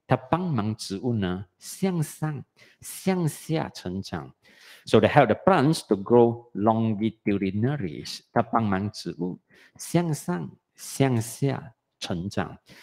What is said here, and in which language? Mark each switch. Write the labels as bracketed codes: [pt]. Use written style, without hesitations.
[zh] 它帮忙植物呢向下成长。 [en] So they help the plants to grow longitudinally. [zh] 它帮忙植物向上向下成长。